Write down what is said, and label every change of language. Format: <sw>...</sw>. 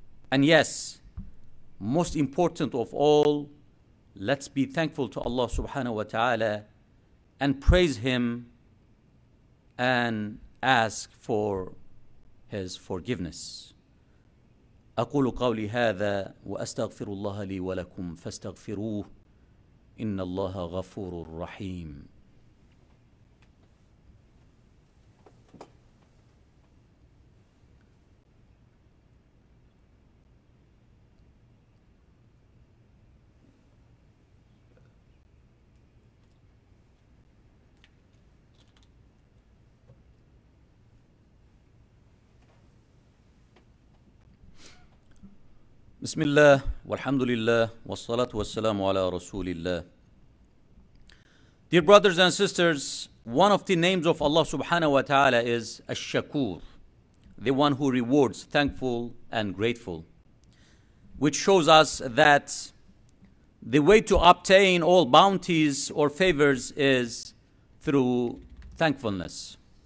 <en>And yes, most important of all, let's be thankful to Allah subhanahu wa ta'ala and praise Him and ask for His forgiveness.</en> <ar>أقول قولي هذا وأستغفر الله لي ولكم فاستغفروه إن الله غفور رحيم. بسم الله والحمد لله والصلاة والسلام على رسول الله.</ar> <en>Dear brothers and sisters, one of the names of Allah subhanahu wa ta'ala is Ash-Shakur, the one who rewards thankful and grateful, which shows us that the way to obtain all bounties or favors is through thankfulness.</en>